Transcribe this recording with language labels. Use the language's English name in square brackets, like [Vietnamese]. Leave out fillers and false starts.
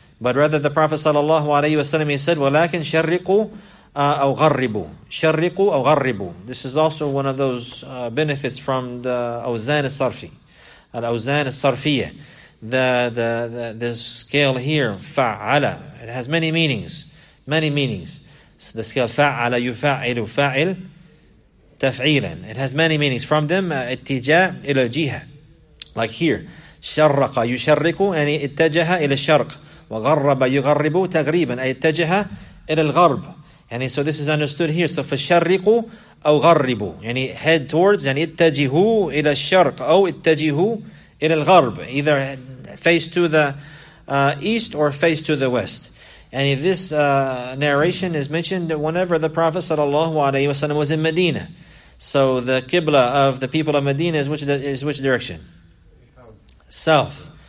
[English] But rather, the Prophet sallallahu alaihi wasallam, he said, [Arabic] walakin sharriqu أو غربوا شرقوا أو غربوا. [English] This is also one of those benefits from the [Arabic] أوزان الصرفي. الأوزان الصرفية. [English] The scale here, فعلا. It has many meanings. Many meanings. So the scale [Arabic] فعلا يفعل فاعل تفعيلا. [English] It has many meanings. From them, [Arabic] اتجاه إلى الجهة. [English] Like here, [Arabic] شرق يشرق يعني اتجه إلى الشرق. وغرب يغرب تغريبا أي اتجه إلى الغرب. [English] And so this is understood here. [Arabic] So فَشَرِّقُوا أَوْ غَرِّبُوا. يعني [English] head towards, [Arabic] يعني اتَّجِهُوا إِلَى الشَّرْقِ أَوْ اتَّجِهُوا إِلَى الْغَرْبِ. [English] Either face to the east or face to the west. And this narration is mentioned whenever the Prophet sallallahu alayhi wa sallam was in Medina. So the qibla of the people of Medina is which direction? South.